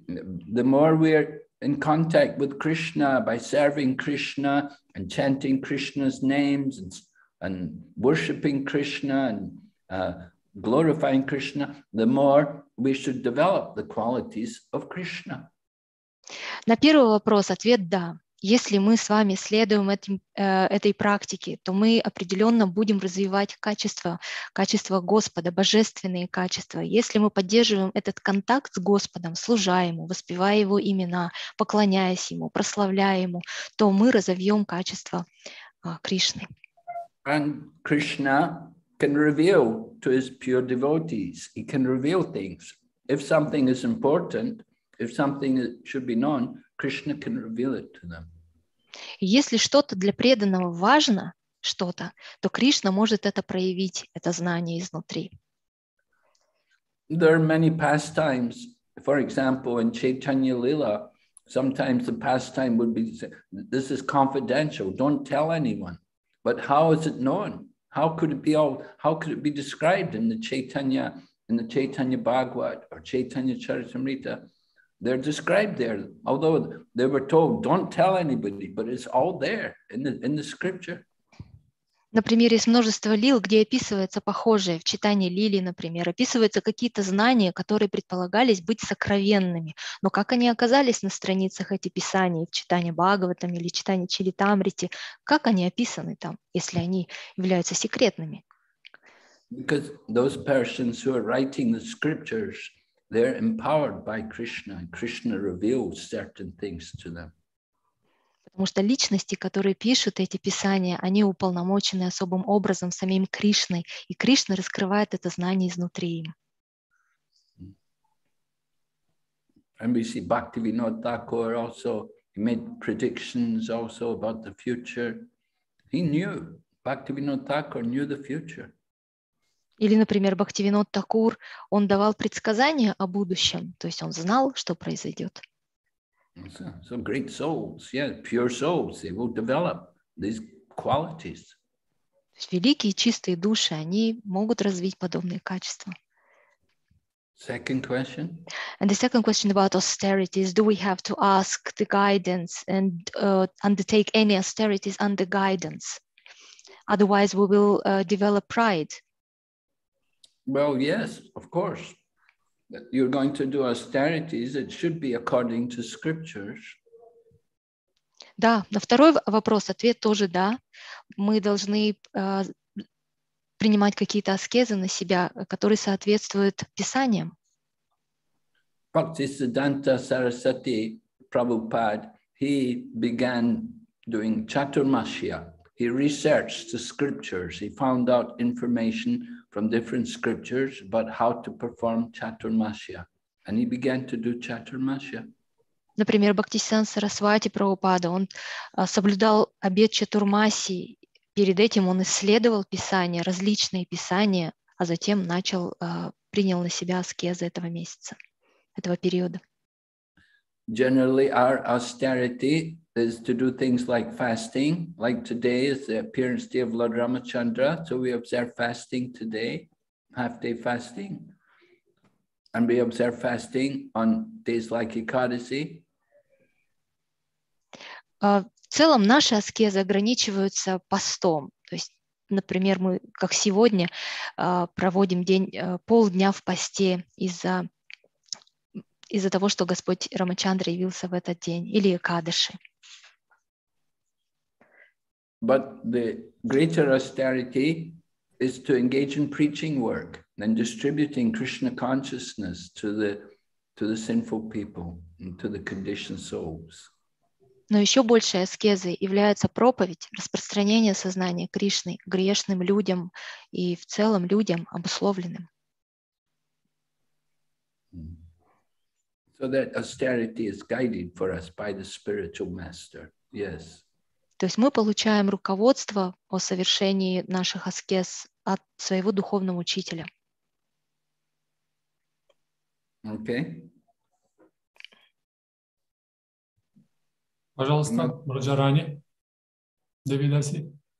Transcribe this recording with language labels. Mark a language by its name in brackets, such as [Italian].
[English] The more we are in contact with Krishna by serving Krishna and chanting Krishna's names and worshiping Krishna and glorifying Krishna, the more we should develop the qualities of Krishna. [Russian] На первый вопрос ответ да. Если мы с вами следуем этой практике, то мы определенно будем развивать качества Господа, божественные качества. Если мы поддерживаем этот контакт с Господом, служа Ему, воспевая Его имена, поклоняясь Ему, прославляя Ему, то мы разовьем качества Кришны. [English] And Krishna can reveal to His pure devotees. He can reveal things. If something is important, if something should be known, Krishna can reveal it to them. [Russian] Если что-то для преданного важно, что-то, то Кришна может это проявить, это знание изнутри. [English] There are many pastimes. For example, in Chaitanya Lila, sometimes the pastime would be, this is confidential, don't tell anyone. But how is it known? How could it be described in the Chaitanya Bhagavat or Chaitanya Charitamrita? They're described there, although they were told, don't tell anybody, but it's all there in the scripture. [Russian] Например, есть множество лил, где описывается похожее. В читании лили, например, описываются какие-то знания, которые предполагались быть сокровенными. Но как они оказались на страницах этих писаний, в читании Бхагаватам или читании Чаритамрити? Как они описаны там, если они являются секретными? [English] Because those persons who are writing the scriptures, they're empowered by Krishna, and Krishna reveals certain things to them. [Russian] Потому что личности, которые пишут эти писания, они уполномочены особым образом самим Кришной, и Кришна раскрывает это знание изнутри им. [English] And we see Bhaktivinoda Thakur also made predictions also about the future. He knew, Bhaktivinoda Thakur knew the future. [Russian] Или, например, Бхактивинод Такур, он давал предсказания о будущем, то есть он знал, что произойдет. [English] So great souls, yeah, pure souls, they will develop these qualities. [Russian] То есть великие чистые души, они могут развить подобные качества. [English] Second question. And the second question about austerities. Do we have to ask the guidance and undertake any austerities under guidance? Otherwise we will develop pride. Well, yes, of course. You're going to do austerities. It should be according to scriptures. [Russian] Да, на второй вопрос ответ тоже да. Мы должны принимать какие-то аскезы на себя, которые соответствуют писаниям. [English] Bhaktisiddhanta Sarasvati Prabhupada, he began doing chaturmasya. He researched the scriptures. He found out information from different scriptures, but how to perform chaturmasya. And he began to do chaturmasya. [Russian] Например, Бхактисиддханта Сарасвати Прабхупада, он соблюдал обет чатурмасии. Перед этим он исследовал писания, различные писания, а затем принял на себя аскезы этого месяца, этого периода. [English] Generally, our austerity is to do things like fasting, like today is the appearance day of Lord Ramachandra, so we observe fasting today, half-day fasting, and we observe fasting on days like Ekadasi. [Russian] В целом наши аскезы ограничиваются постом, то есть, например, мы, как сегодня, проводим полдня в посте из-за того, что Господь Рамачандра явился в этот день, или Экадаши. [English] But the greater austerity is to engage in preaching work and distributing Krishna consciousness to the sinful people and to the conditioned souls. [Russian] Но еще большей аскезой является проповедь, распространение сознания Кришны грешным людям и в целом людям обусловленным. [English] So that austerity is guided for us by the spiritual master. Yes. [Russian] То есть мы получаем руководство о совершении наших аскез от своего духовного учителя. [English] Okay. [Russian] Пожалуйста, Раджарани. Девидаси.